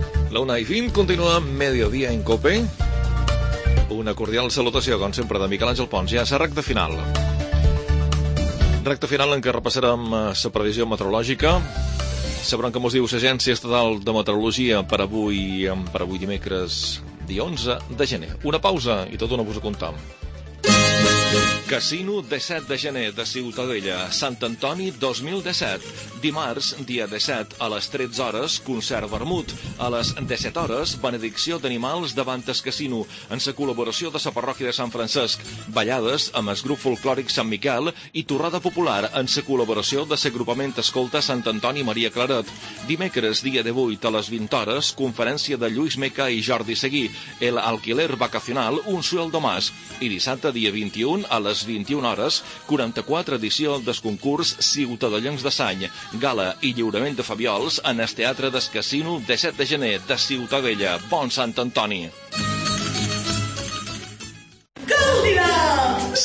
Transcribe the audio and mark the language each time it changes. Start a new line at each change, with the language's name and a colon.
Spanish: La 1:20 continúa Mediodía en COPE.
Catalan: Una cordial salutació, com sempre, de Miquel Àngel Pons. Ja és a recta final. Recta final en què repassarem la previsió meteorològica. Sabrem com us diu l'Agència Estatal de Meteorologia per avui dimecres, dia 11 de gener. Una pausa i tot una cosa a contar. Casino, 17 de gener, de Ciutadella, Sant Antoni, 2017. Dimarts, dia 17, a les 13 hores, concert vermut. A les 17 hores, benedicció d'animals davant el casino, en sa col·laboració de sa parròquia de Sant Francesc. Ballades amb el grup folclòric Sant Miquel i torrada popular en sa col·laboració de l'agrupament escolta Sant Antoni Maria Claret. Dimecres, dia 18, a les 20 hores, conferència de Lluís Meca i Jordi Seguí.
Spanish: El alquiler vacacional, un sueldo más.
Catalan: I dissabte, dia 21, a les 21 hores, 44 edició del concurs Ciutadellencs de Sany, gala i lliurament de fabiols en el Teatre del Casino, 17 de gener, de Ciutadella. Bon Sant Antoni! Goldilocks!